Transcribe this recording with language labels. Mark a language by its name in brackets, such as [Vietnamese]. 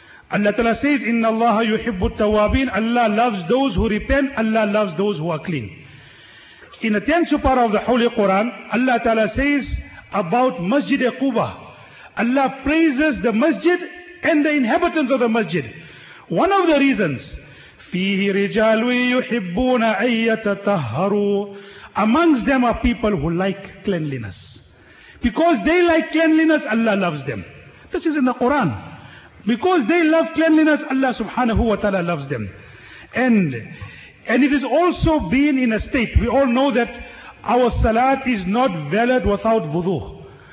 [English] Allah Ta'ala says, [Arabic] Inna Allah yuhibbu at-tawwabin. [English] Allah loves those who repent, Allah loves those who are clean. In the 10th surah of the Holy Quran, Allah Ta'ala says about Masjid Quba, Allah praises the masjid and the inhabitants of the masjid. One of the reasons, [Arabic] فِيهِ رِجَالُوا يُحِبُّونَ أَن يَتَطَهَّرُوا. [English] Amongst them are people who like cleanliness. Because they like cleanliness, Allah loves them. This is in the Quran. Because they love cleanliness, Allah subhanahu wa ta'ala loves them. And it is also being in a state, we all know that our salat is not valid without wudu.